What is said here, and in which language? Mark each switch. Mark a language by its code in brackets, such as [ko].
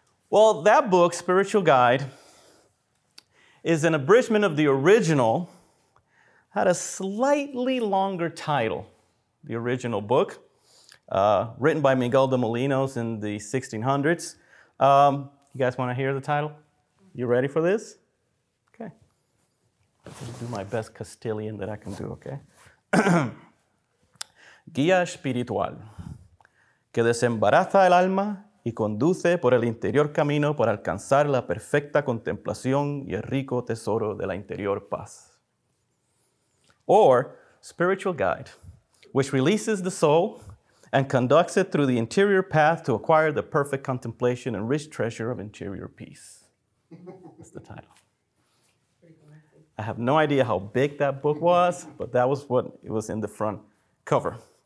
[en] Well, that book, Spiritual Guide, is an abridgment of the original, had a slightly longer title, the original book, written by Miguel de Molinos in the 1600s. You guys want to hear the title? You ready for this? Okay. I'll do my best Castilian that I can do, okay? [es] Guía espiritual que desembaraza el alma y conduce por el interior camino para alcanzar la perfecta contemplación y el rico tesoro de la interior paz. [en] Or, Spiritual Guide, which releases the soul and conducts it through the interior path to acquire the perfect contemplation and rich treasure of interior peace. That's the title. I have no idea how big that book was, but that was what it was in the front cover.